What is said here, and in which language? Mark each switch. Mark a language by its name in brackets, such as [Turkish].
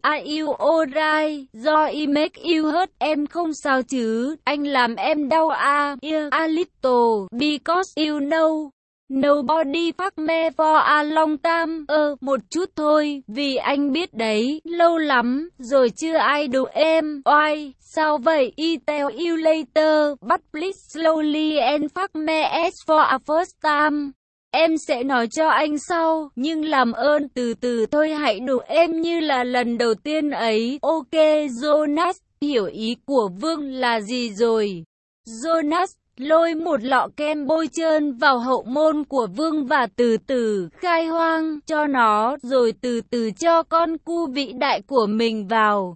[English] Are you alright? Do I make you hurt? [Vietnamese] Em không sao chứ, anh làm em đau à? [English] Yeah, a little, because you know. Nobody fuck me for a long time. [Vietnamese] Một chút thôi, vì anh biết đấy, lâu lắm rồi chưa ai đụng em. [English] Why? [Vietnamese] Sao vậy? [English] I tell you later, but please slowly and fuck me as for a first time. [Vietnamese] Em sẽ nói cho anh sau, nhưng làm ơn từ từ thôi, hãy đụng em như là lần đầu tiên ấy. Ok Jonas, hiểu ý của Vương là gì rồi. Jonas lôi một lọ kem bôi trơn vào hậu môn của Vương và từ từ khai hoang cho nó, rồi từ từ cho con cu vĩ đại của mình vào.